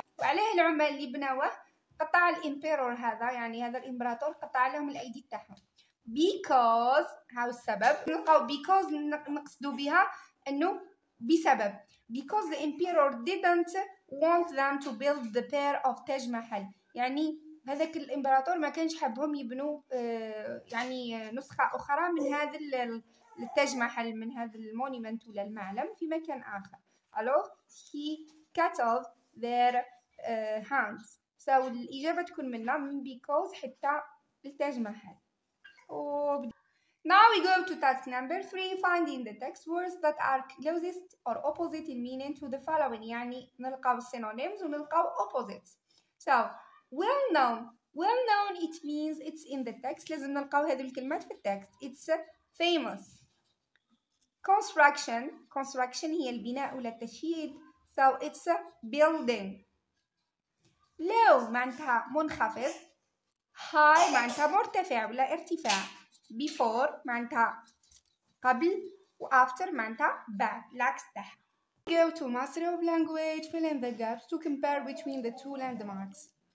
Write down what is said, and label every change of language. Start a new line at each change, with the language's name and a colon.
Arabic: وعليه العمال اللي بنوه قطع الامبيرور هذا, يعني هذا الامبراطور قطع لهم الايدي تاعهم. Because, هاو السبب, نلقاو because نقصدوا بها انه بسبب.
English: Because the emperor didn't want them to build the pair of Taj Mahal. يعني
Arabic: هذاك الإمبراطور ما كانش حابهم يبنوا يعني نسخة أخرى من هذا التاج محل، من هذا المونيمنت ولا المعلم في مكان آخر.
English: alors he cut off their hands.
Arabic: so الإجابة تكون منا من because حتى التاج محل.
English: now we go to task number three, finding the text words that are closest or opposite in meaning to the following.
Arabic: يعني نلقاو
English: synonyms ونلقاو opposites. so well known, well known it means it's in the text.
Arabic: لازم نلقاو هذه الكلمات في التكست.
English: it's famous.
Arabic: construction, construction هي البناء ولا التشييد.
English: so it's a building. low
Arabic: معناتها منخفض. high معناتها مرتفع ولا ارتفاع. before معناتها قبل و after معناتها بعد. العكس تاعها.
English: go to mastery of language, fill in the gaps to compare between the two landmarks.